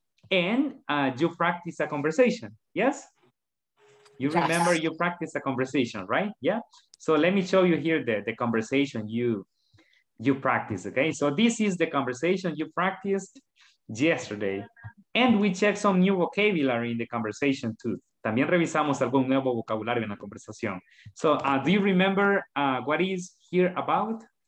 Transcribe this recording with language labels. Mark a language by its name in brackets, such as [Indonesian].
[English] And you practiced a conversation, yes? You remember you practiced a conversation, right? Yeah? So let me show you here the conversation you practice, okay? So this is the conversation you practiced yesterday. And we checked some new vocabulary in the conversation too. [Spanish] También revisamos algún nuevo vocabulario en la conversación. [English] So do you remember what is here about?